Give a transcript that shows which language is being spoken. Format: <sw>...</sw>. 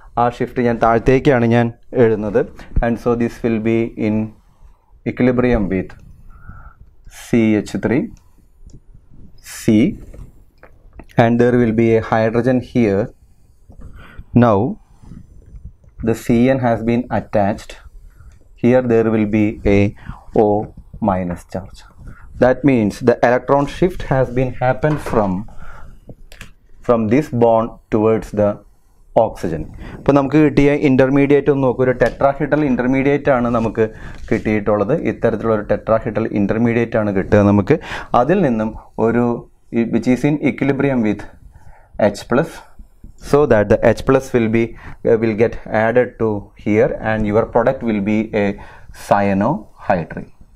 <ml>ആ ഷിഫ്റ്റ് ഞാൻ താഴത്തേക്കാണ് ഞാൻ എഴുതുന്നത്.</ml> <en>And so this will be in equilibrium with C H three C and there will be a hydrogen here. Now the C N has been attached here there will be a O minus charge. That means the electron shift has been happened from this bond towards the oxygen.</en> <ml>ഇപ്പോൾ നമുക്ക് കിട്ടിയ intermediate ഒന്ന് നോക്കൂ. ഒരു tetrahedral intermediate ആണ് നമുക്ക് കിട്ടിയിട്ടുള്ളത്. ഇത്തരത്തിലുള്ള ഒരു ടെട്രാഹിഡ്രൽ ഇൻ്റർമീഡിയറ്റ് ആണ് കിട്ടുക നമുക്ക്. അതിൽ നിന്നും ഒരു</ml> <en>Which is in equilibrium with H plus, so that the H plus will get added to here and your product will be a cyanohydrin.</en>